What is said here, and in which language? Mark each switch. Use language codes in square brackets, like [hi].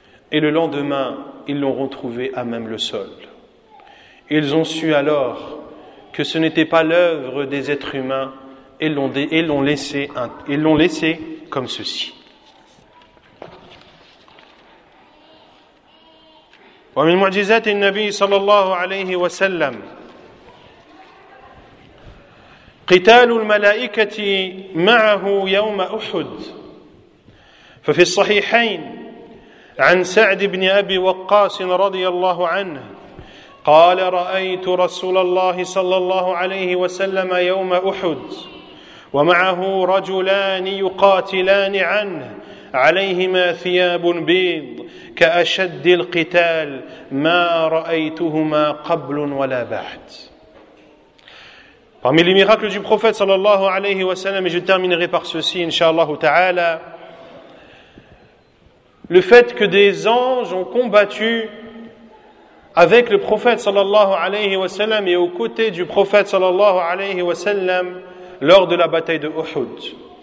[fr] Et le lendemain, ils l'ont retrouvé à même le sol. Ils ont su alors que ce n'était pas l'œuvre des êtres humains et l'ont laissé comme ceci. [ar] ومن معجزات النبي صلى الله عليه وسلم قتال الملائكة معه يوم أحد. ففي الصحيحين عن سعد بن أبي وقاص رضي الله عنه قال رأيت رسول الله صلى الله عليه وسلم يوم أحد ومعه رجلان يقاتلان عنه عليهما ثياب بيض كأشد القتال ما رأيتهما قبل ولا بعد. [fr] Parmi les miracles du prophète sallallahu alayhi wa sallam, et je terminerai par ceci inshallah ta'ala, le fait que des anges ont combattu avec le prophète sallallahu alayhi wa sallam et aux côtés du prophète sallallahu alayhi wa sallam lors de la bataille de Uhud.